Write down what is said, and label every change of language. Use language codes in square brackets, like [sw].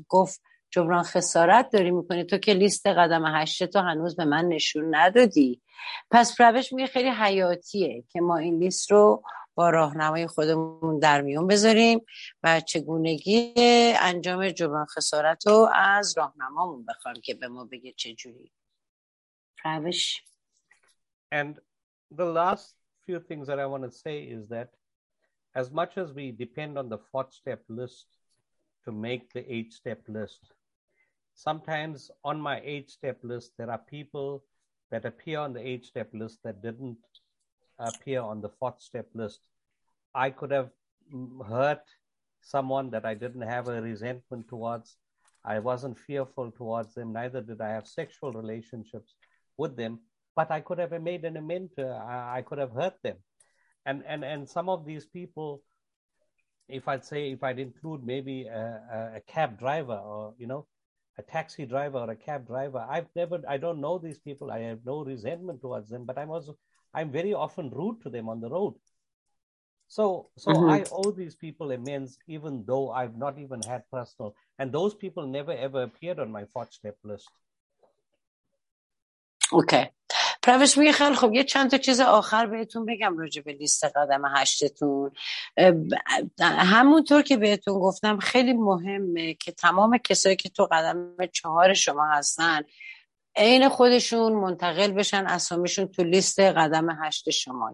[fa] گفت جبران خسارت داری میکنی؟ تو که لیست قدم هشتتو هنوز به من نشون ندادی. پس پروش میگه خیلی حیاتیه که ما این لیست رو با راهنمای خودمون در میون بذاریم و چگونگی انجام جبران خسارت رو از راهنمامون بخوام که به ما بگه چجوری. پروش. [en] And the last few things that I want to say is that as much as we depend on the 4-step list to make the 8-step list, sometimes on my 8-step list, there are people that appear on the 8-step list that didn't appear on the 4-step list. I could have hurt someone that I didn't have a resentment towards. I wasn't fearful towards them. Neither did I have sexual relationships with them. But I could have made an amend to, I could have hurt them. And some of these people, if I'd include maybe a cab driver or, you know, a taxi driver or a cab driver, I don't know these people. I have no resentment towards them, but I'm very often rude to them on the road. So mm-hmm. I owe these people amends, even though I've not even had personal, and those people never, ever appeared on my 4-step list. Okay. [fa] پروش میگه خیلی خوب، یه چند تا چیز آخر بهتون بگم راجع به لیست قدم هشتتون. همونطور که بهتون گفتم خیلی مهمه که تمام کسایی که تو قدم 4 شما هستن این خودشون منتقل بشن اسامیشون تو لیست قدم 8 شما.